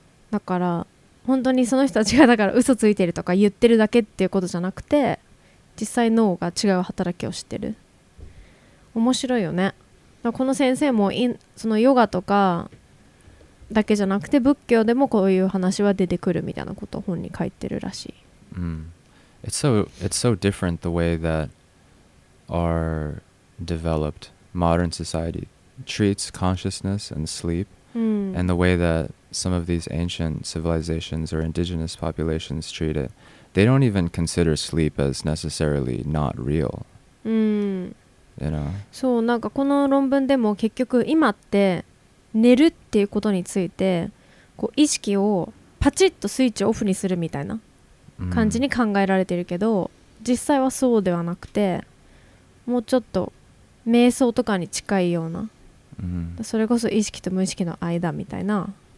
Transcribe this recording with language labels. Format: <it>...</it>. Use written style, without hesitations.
<ja>だから本当にその人たちがだから嘘ついてるとか言ってるだけっていうことじゃなくて、実際脳が違う働きをしてる。面白いよね。この先生もそのヨガとかだけじゃなくて仏教でもこういう話は出てくるみたいなことを本に書いてるらしい。</ja> <en>It's so different the way thatare developed modern society treats consciousness and sleep and the way that some of these ancient civilizations or indigenous populations treat it. They don't even consider sleep as necessarily not real. You know?</en> <ja>そう、なんかこの論文でも結局今って寝るっていうことについてこう意識をパチッとスイッチオフにするみたいな感じに考えられてるけど、実際はそうではなくて、もうちょっと瞑想とかに近いような、それこそ意識と無意識の間みたいな、</ja>